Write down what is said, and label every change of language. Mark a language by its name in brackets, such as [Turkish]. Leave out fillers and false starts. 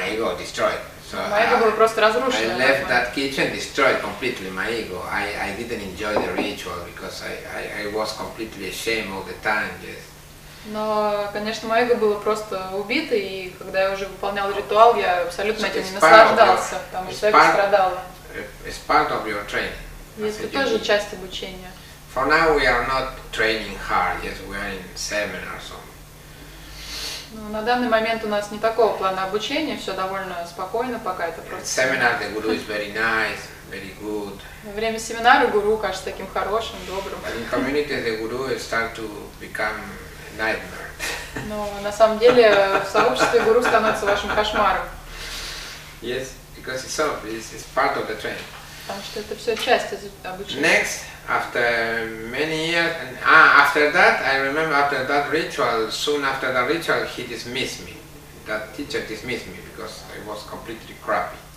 [English] My ego destroyed. So my ego [Russian] было просто разрушено. [English] I left that kitchen, destroyed completely my ego. I didn't enjoy the ritual because I was completely ashamed all the time, yes. [Russian] Но, конечно, мое эго было просто убито, и когда я уже выполнял ритуал, я абсолютно этим не наслаждался, потому что эго страдало. [English] It's part of your training. [Russian] Это тоже часть обучения. [English] For now we are not training hard, yes, we are in seminars or [Russian] Ну, на данный момент у нас не такого плана обучения, все довольно спокойно пока, это просто... [English] Seminar, the guru is very nice, very good. [Russian] Во время семинара гуру кажется таким хорошим, добрым. [English] But in community, the guru start to become a nightmare. [Russian] Но на самом деле в сообществе гуру становится вашим кошмаром. [English] Yes, because it's part of the training. [Russian] Потому что это все часть обучения. [English] Next, after many years, after that, I remember after that ritual, soon after that ritual, he dismissed me. That teacher dismissed me because I was completely crappy.